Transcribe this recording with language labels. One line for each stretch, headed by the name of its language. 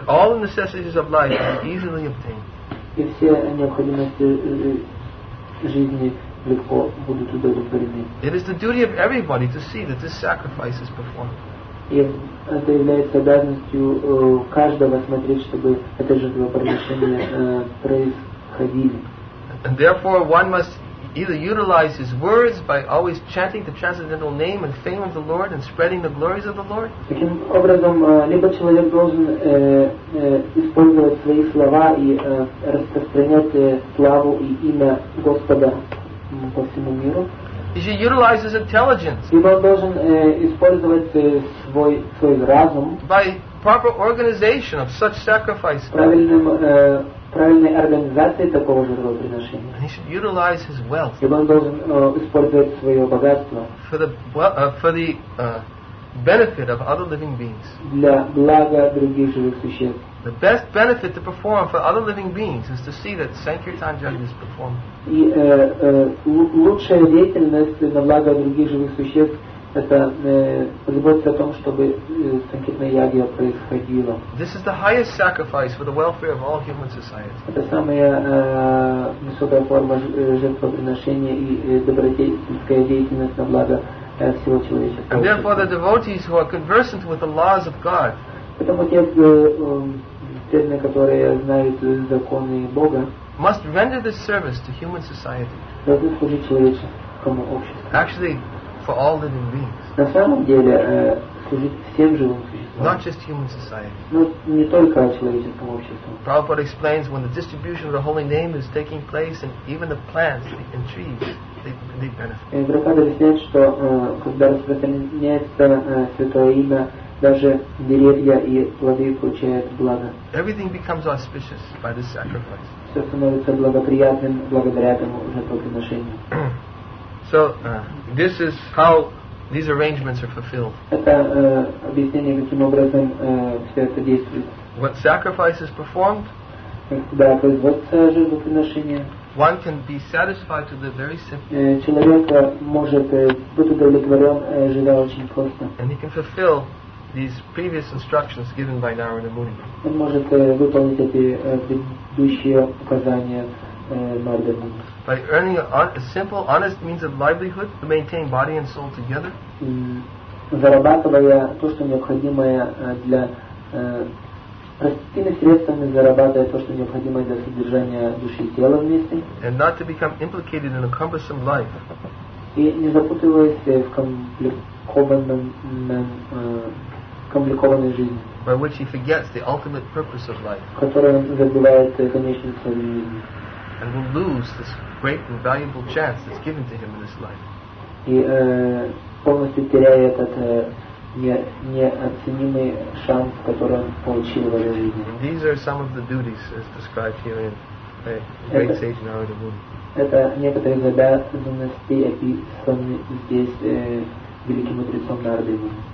English: All the necessities of life will be easily obtained.
Russian: И все необходимости жизни легко будут удовлетворены.
English: It is the duty of everybody to see that this sacrifice is performed.
Russian: И это является обязанностью каждого смотреть, чтобы это жертвоприношение происходило.
English: And therefore, one must either utilize his words by always chanting the transcendental name and fame of the Lord and spreading the glories of the Lord.
Russian: Таким образом, либо человек должен использовать свои слова и распространять славу и имя Господа по всему миру.
English: He should utilize his intelligence.
Russian: Либо должен использовать свой разум.
English: By proper organization of such sacrifices.
Russian: Правильной организации такого жертвоприношения.
English: And he should utilize his wealth.
Russian: И он должен использовать свое богатство.
English: For the benefit of other living beings.
Russian: Для блага других живых существ.
English: The best benefit to perform for other living beings is to see that Sankirtan Jagya is performed.
Russian: И лучшая деятельность на благо других живых существ это позаботиться о том, чтобы санкитная ягья происходила.
English: This is the highest sacrifice for the welfare of all human society.
Russian: Это самая высокая форма жертвоприношения и добродетельская деятельность на благо всего человечества.
English: And therefore the devotees who are conversant with the laws of God.
Russian: Поэтому те преданные, которые знают законы Бога,
English: must render this service to human society.
Russian: Должны служить человеческому обществу.
English: Actually, for all living beings.
Russian: На самом деле, служить всем живым существам.
English: Not just human society.
Russian: Но не только человеческому обществу.
English: Prabhupada explains when the distribution of the holy name is taking place and even the plants and trees they benefit.
Russian: Prabhupada объясняет, что когда распространяется святое имя, даже деревья и плоды получают благо.
English: Everything becomes auspicious by this sacrifice.
Russian: Все становится благоприятным благодаря этому жертвоприношению.
English: So this is how these arrangements are fulfilled.
Russian: Это объяснение, каким образом все это действует.
English: What sacrifice is performed?
Russian: Когда производится жертвоприношение.
English: One can be satisfied to live very simply.
Russian: Человек может быть удовлетворен, живя очень просто.
English: And he can fulfill these previous instructions given by Narada Muni.
Russian: Он может выполнить эти предыдущие указания Нарада Муни.
English: By earning a simple, honest means of livelihood to maintain body and soul together.
Russian: зарабатывая то, что необходимое для простыми средствами зарабатывая то, что необходимо для содержания души и тела вместе.
English: And not to become implicated in a cumbersome life.
Russian: И не запутываясь в компликованной жизни.
English: By which he forgets the ultimate purpose of life.
Russian: Которой он забывает конечную цель жизни.
English: And will lose this great and valuable chance that's given to him in this life.
Russian: И полностью теряя этот неоценимый шанс, который он получил в этой жизни.
English: These are some of the duties as described here in the great sage Narada Muni.
Russian: Это некоторые из обязанностей, описанные здесь великим мудрецом Нарады Муни.